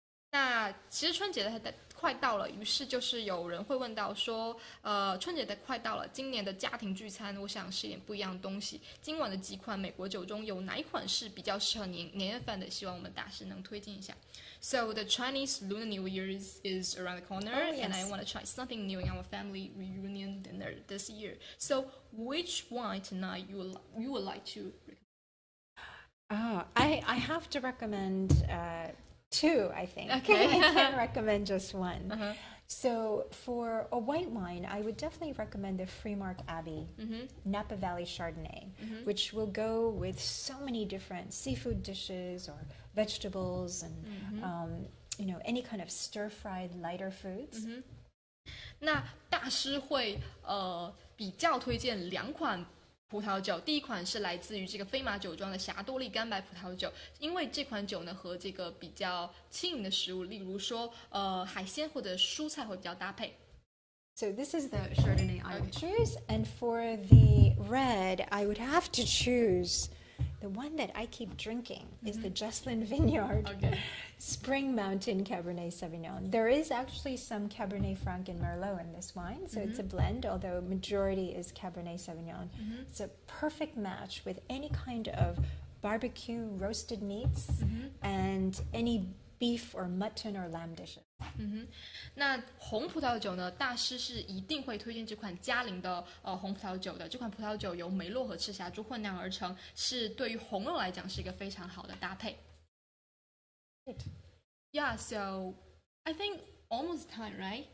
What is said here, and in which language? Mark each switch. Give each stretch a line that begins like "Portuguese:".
Chinese: 那其实春节的快到了，于是就是有人会问到说，春节的快到了，今年的家庭聚餐我想是一点不一样的东西。今晚的几款美国酒中有哪一款是比较适合年夜饭的？希望我们大师能推荐一下。
English: So the Chinese Lunar New Year is around the corner, oh, yes. And I want to try something new in our family reunion dinner this year. So which wine tonight you would like to recommend? I have to recommend two, I think. Okay. I can't recommend just one. Uh-huh. So for a white wine, I would definitely recommend the Freemark Abbey Napa Valley Chardonnay, which will go with so many different seafood dishes or vegetables and, you know, any kind of stir-fried lighter foods.
Chinese: 那大师会比较推荐两款葡萄酒，第一款是来自于这个飞马酒庄的霞多丽干白葡萄酒，因为这款酒呢和这个比较轻盈的食物，例如说海鲜或者蔬菜会比较搭配。
English: So this is the Chardonnay I would choose, and for the red, I would have to choose the one that I keep drinking is the Jesslyn Vineyard Spring Mountain Cabernet Sauvignon. There is actually some Cabernet Franc and Merlot in this wine, so it's a blend, although majority is Cabernet Sauvignon. It's a perfect match with any kind of barbecue roasted meats and any beef or mutton or lamb dishes.
Chinese: 那红葡萄酒呢，大师是一定会推荐这款嘉陵的红葡萄酒的。这款葡萄酒由梅洛和赤霞珠混酿而成，是对于红肉来讲是一个非常好的搭配。
English: Yeah, so I think almost time, right?